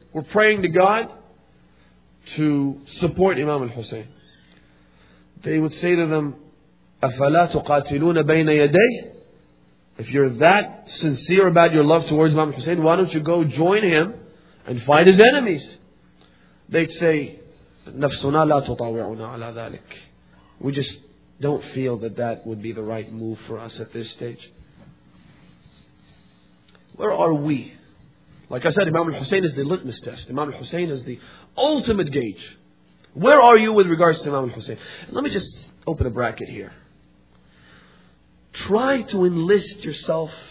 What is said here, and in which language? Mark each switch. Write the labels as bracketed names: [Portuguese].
[English] We're praying to God to support Imam al-Hussein. They would say to them, [Arabic] أَفَلَا تُقَاتِلُونَ بَيْنَ يَدَيْهِ. [English] If you're that sincere about your love towards Imam al-Hussein, why don't you go join him and fight his enemies? They'd say, [Arabic] نَفْسُنَا لَا تُطَاوِعُنَا عَلَى ذَلِكَ. [English] We just don't feel that that would be the right move for us at this stage. Where are we? Like I said, Imam al-Hussein is the litmus test. Imam al-Hussein is the ultimate gauge. Where are you with regards to Imam al-Hussein? Let me just open a bracket here. Try to enlist yourself.